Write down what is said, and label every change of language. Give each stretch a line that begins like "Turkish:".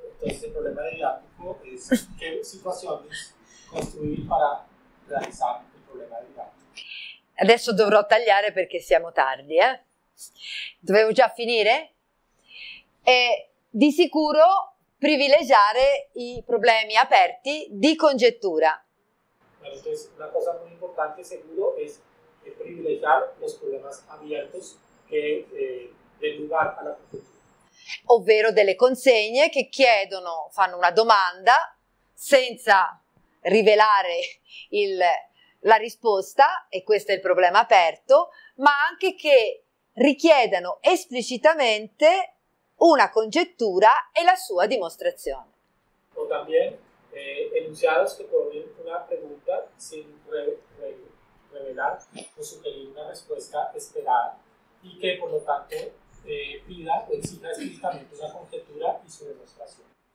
Italian: Entonces, il problema didattico è che situazioni costruire per realizzare il problema didattico. Adesso dovrò tagliare perché siamo tardi, eh? Dovevo già finire? E di sicuro privilegiare i problemi aperti di congettura.
Spanish: Entonces, una cosa muy importante, seguro, es privilegiar los problemas abiertos que den lugar a la conjetura.
Italian: Ovvero delle consegne che chiedono, fanno una domanda senza rivelare la risposta, e questo è il problema aperto, ma anche che richiedano esplicitamente una congettura e la sua dimostrazione.
Spanish: O también enunciados que ponen una pregunta sin revelar o sugerir una respuesta esperada y que por lo tanto pida o exija explícitamente una conjetura y su demostración.